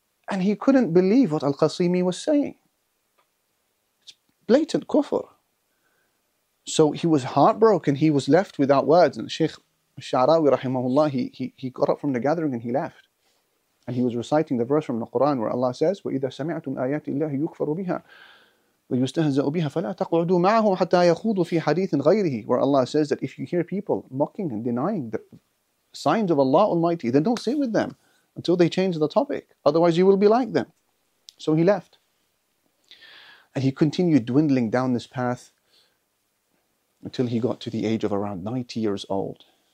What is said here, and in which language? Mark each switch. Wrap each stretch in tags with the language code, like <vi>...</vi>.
<en>And he couldn't believe what Al-Qasimi was saying. It's blatant kufr. So he was heartbroken. He was left without words. And Sheikh Sha'rawi, rahimahullah, he got up from the gathering and he left. And he was reciting the verse from the Quran where Allah says,</en> <ar>وَإِذَا سَمِعْتُمْ آيَاتِ اللَّهِ يُكْفَرُ بِهَا ويستهزئ بها فلا تقعدوا معه حتى يخوضوا في حديث غيره.</ar> <en>Where Allah says that if you hear people mocking and denying the signs of Allah Almighty, then don't sit with them until they change the topic. Otherwise you will be like them. So he left. And he continued dwindling down this path until he got to the age of around 90 years old.</en>